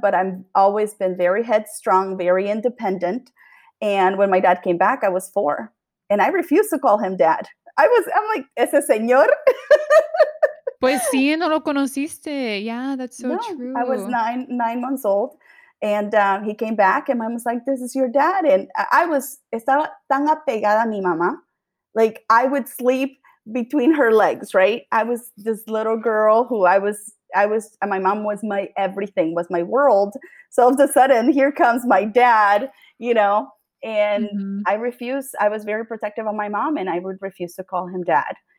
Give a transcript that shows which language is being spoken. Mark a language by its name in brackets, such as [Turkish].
[English] But I've always been very headstrong, very independent. And when my dad came back, I was four. And I refused to call him dad. I'm like, [Spanish] ese señor. Pues sí, no lo conociste. [English] Yeah, that's so true. I was nine months old. And he came back. And mom was like, this is your dad. And I was, [Spanish] estaba tan apegada a mi mamá. [English] Like, I would sleep between her legs, right? I was this little girl who I was, and my mom was my everything, was my world. So all of a sudden, here comes my dad, you know, and I was very protective of my mom, and I would refuse to call him dad.